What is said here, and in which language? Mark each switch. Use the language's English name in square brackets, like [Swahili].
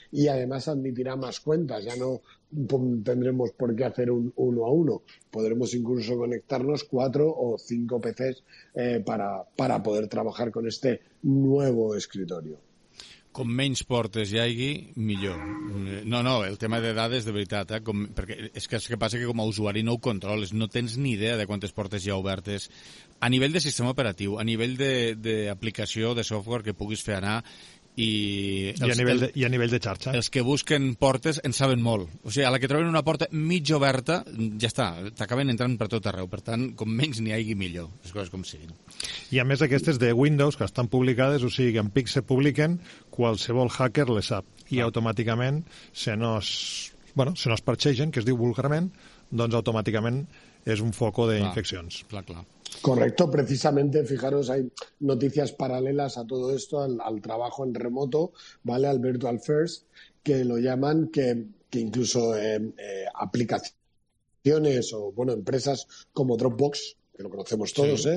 [Spanish] Y además admitirá más cuentas, ya no tendremos por qué hacer un uno a uno, podremos incluso conectarnos 4 o 5 PCs para poder trabajar con este nuevo escritorio. [Catalan] Com menys portes hi hagi, millor. No, no, el tema de dades, de veritat, eh? Com, perquè és que el que passa que com a usuari no ho controles, no tens ni idea de quantes portes hi ha obertes. A nivell de sistema operatiu, a nivell d'aplicació, de software que puguis fer anar, I a nivell de xarxa. Els que busquen portes en saben molt. O sigui, a la que troben una porta mig oberta, ja està, t'acaben entrant per tot arreu. Per tant, com menys n'hi hagi, millor. Les coses com siguin. I a més, aquestes de Windows, que estan publicades, o sigui, en Pixel publiquen, qualsevol hacker les sap. I automàticament, se no es parxegen, que es diu vulgarment, doncs automàticament és un foco d'infeccions. Clar, clar. [Spanish] Correcto, precisamente, fijaros, hay noticias paralelas a todo esto, al trabajo en remoto, ¿vale? Al Virtual First, que lo llaman, que incluso aplicaciones o, bueno, empresas como Dropbox, que lo conocemos todos, sí.